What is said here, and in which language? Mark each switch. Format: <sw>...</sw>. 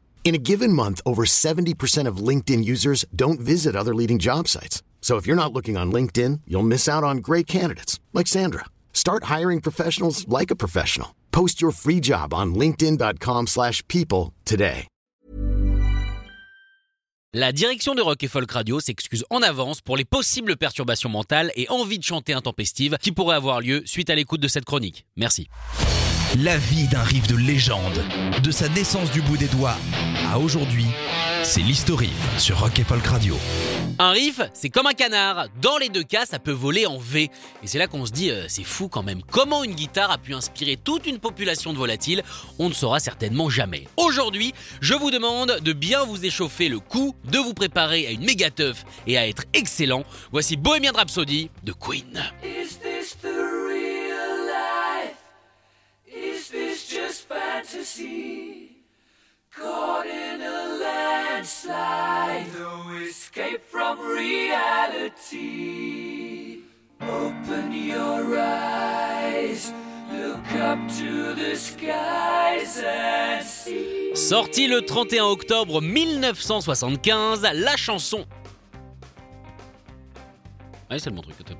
<en>In a given month, over 70% of LinkedIn users don't visit other leading job sites. So if you're not looking on LinkedIn, you'll miss out on great candidates, like Sandra. Start hiring professionals like a professional. Post your free job on linkedin.com/people today.</en> <fr>La direction de Rock et Folk Radio s'excuse en avance pour les possibles perturbations mentales et envie de chanter intempestive qui pourraient avoir lieu suite à l'écoute de cette chronique. Merci. La vie d'un riff de légende, de sa naissance du bout des doigts à aujourd'hui, c'est l'Historif sur Rock et Folk Radio. Un riff, c'est comme un canard. Dans les deux cas, ça peut voler en V. Et c'est là qu'on se dit, c'est fou quand même. Comment une guitare a pu inspirer toute une population de volatiles, on ne saura certainement jamais. Aujourd'hui, je vous demande de bien vous échauffer le cou, de vous préparer à une méga teuf et à être excellent. Voici Bohemian Rhapsody de Queen.</fr> <en>Is this the real life? Is this just fantasy? Caught in a landslide, no escape from reality. Open your eyes, look up to the skies and see.</en> <fr>Sorti le 31 octobre 1975, la chanson. Ah, c'est le bon truc.</fr>